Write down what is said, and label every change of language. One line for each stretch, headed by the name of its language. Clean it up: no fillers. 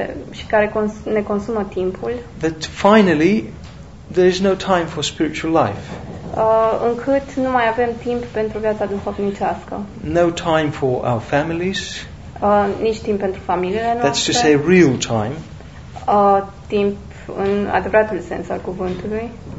Romanian: Și care ne consumă timpul.
English: That finally there is no time for spiritual life.
Romanian: Încât nu mai avem timp pentru viața duhovnicească.
English: No time for our families.
Romanian: Nici timp pentru familiile noastre.
English: That's to say real time.
Romanian: Timp în adevăratul sens al cuvântului.